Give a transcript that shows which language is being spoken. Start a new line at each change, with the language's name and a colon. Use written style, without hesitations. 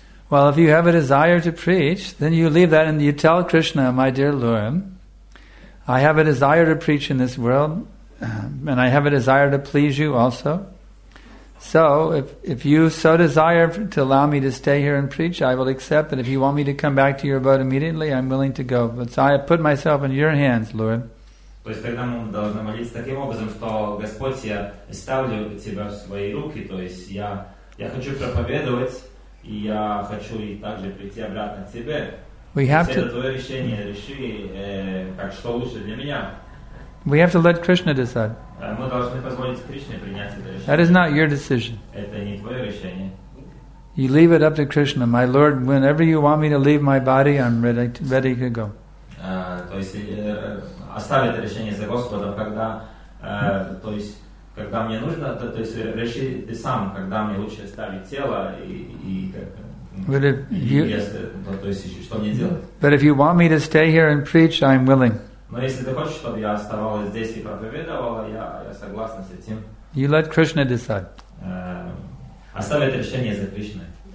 English: Well, if you have a desire to preach, then you leave that and you tell Krishna, my dear Lord, I have a desire to preach in this world and I have a desire to please you also. So, if you so desire to allow me to stay here and preach, I will accept that. If you want me to come back to your abode immediately, I'm willing to go. But so I have put myself in your hands, Lord.
Russian: То есть тогда мы должны молиться таким образом, что Господь, я ставлю тебя в свои руки, то есть я хочу проповедовать, и я хочу и также прийти обратно к тебе.
English: We have
Russian: то есть это твое решение, реши, как что лучше для меня.
English: We have to let Krishna decide.
Russian: Мы должны позволить Кришне принять это решение.
English: That is not your decision.
Russian: Это не твое решение.
English: You leave it up to Krishna. My Lord, whenever you want me to leave my body, I'm ready to go.
Russian: То есть оставить решение за Господом, когда, то есть, когда мне нужно, то есть реши ты сам, когда мне лучше оставить тело и что мне делать.
English: But if you want me to stay here and preach, I'm willing.
Russian: Но если ты хочешь, чтобы я оставалась здесь и проповедовала, я согласна с этим.
English: You let Krishna decide.
Russian: Оставить решение за Кришной.